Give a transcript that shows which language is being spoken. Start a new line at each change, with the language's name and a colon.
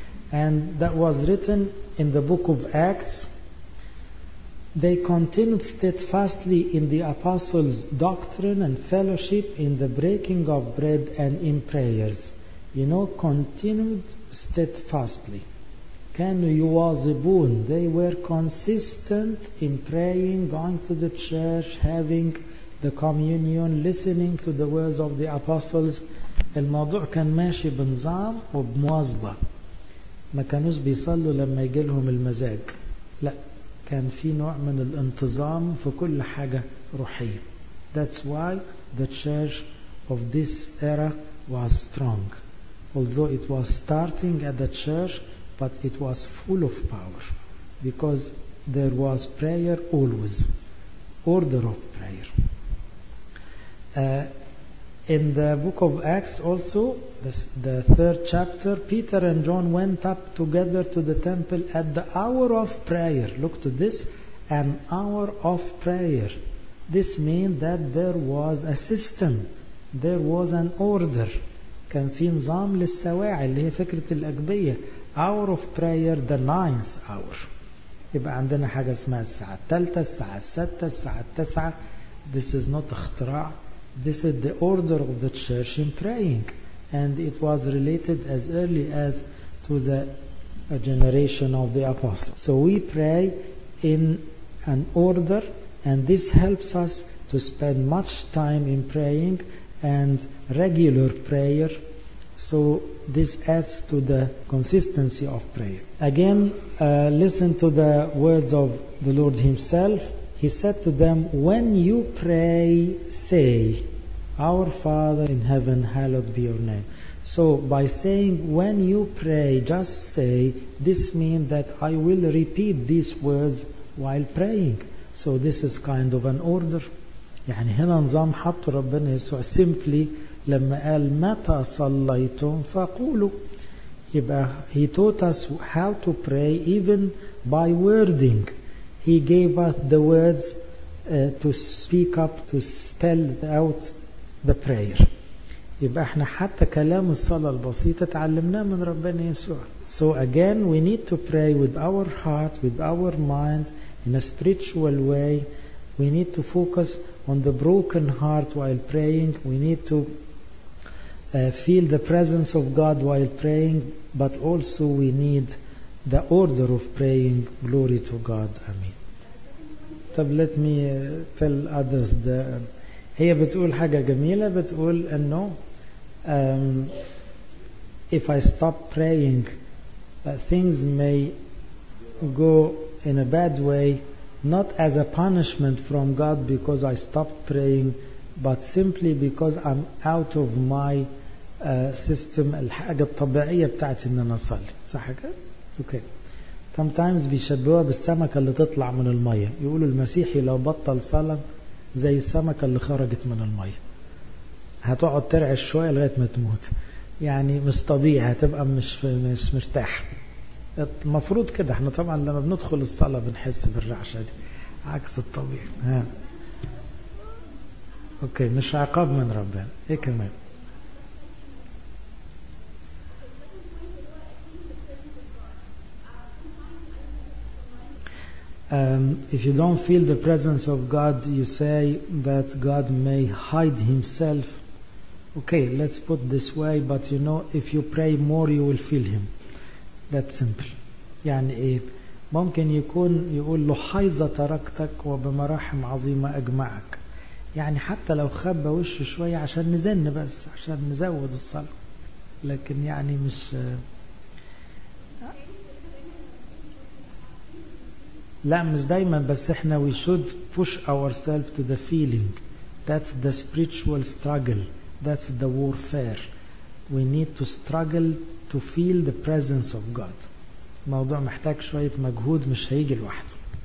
English: And that was written in the book of Acts. They continued steadfastly in the apostles' doctrine and fellowship, in the breaking of bread and in prayers. You know, continued steadfastly.
Arabic: كانوا يواظبون.
English: They were consistent in praying, going to the church, having the communion, listening to the words of the apostles.
Arabic: الموضوع كان ماشي بنظام وبمواظبة. ما كانوش بيصلوا لما يجي لهم المزاج. لا, كان في نوع من الانتظام في كل حاجة روحية.
English: That's why the church of this era was strong. Although it was starting at the church, but it was full of power because there was prayer always, order of prayer. In the book of Acts also, the third chapter, Peter and John went up together to the temple at the hour of prayer. Look to this, an hour of prayer. This means that there was a system, there was an order.
Arabic: كان في نظام للسواعي اللي هي فكرة الأجبية.
English: Hour of prayer, the ninth hour.
Arabic: يبقى عندنا حاجة اسمها الساعة الثالثة, الساعة السادسة, الساعة التاسعة.
English: This is not اختراع. This is the order of the church in praying. And it was related as early as to the generation of the apostles. So we pray in an order, and this helps us to spend much time in praying and regular prayer. So this adds to the consistency of prayer. Again, listen to the words of the Lord Himself. He said to them, when you pray, say, Our Father in heaven, hallowed be your name. So by saying, when you pray, just say, this means that I will repeat these words while praying. So this is kind of an order.
Arabic: يعني هنا نظام حط ربنا يسوع simply لما قال متى صليتم فقولوا. يبقى
English: he taught us how to pray even by wording. He gave us the words to speak up, to spell out the prayer.
Arabic: يبقى احنا حتى كلام الصلاة البسيطة تعلمناه من ربنا يسوع.
English: So again we need to pray with our heart, with our mind, in a spiritual way. We need to focus on the broken heart while praying. We need to feel the presence of God while praying, but also we need the order of praying. Glory to God. Amen.
Arabic: طب
English: let me tell others.
Arabic: هي بتقول حاجة جميلة, بتقول انه
English: if I stop praying things may go in a bad way, not as a punishment from God because I stopped praying, but simply because I'm out of my system.
Arabic: الحاجة الطبيعية بتاعتي ان انا اصلي, صح كده؟ اوكي. Sometimes بيشبهوها بالسمكة اللي تطلع من المية. يقولوا المسيحي لو بطل صلاة زي السمكة اللي خرجت من المية, هتقعد ترعش شوية لغاية ما تموت. يعني مش طبيعي, هتبقى مش مرتاح. المفروض كده. احنا طبعا لما بندخل الصلاة بنحس بالرعشة دي عكس الطبيعي. ها اوكي, مش عقاب من ربنا. ايه كمان؟
English: If you don't feel the presence of God, you say that God may hide himself. Okay, let's put this way, but you know, if you pray more, you will feel him. That's simple.
Arabic: يعني إيه؟ ممكن يكون يقول لحيظة تركتك وبمراحم عظيمة أجمعك. يعني حتى لو خبى وشه شوية عشان نزن بس عشان نزود الصلاة. لكن يعني مش لا مش دايما بس احنا
English: we should push ourselves to the feeling. That's the spiritual struggle. That's the warfare. We need to struggle to feel the presence of God.
Arabic: الموضوع محتاج شوية مجهود مش هيجي لوحده.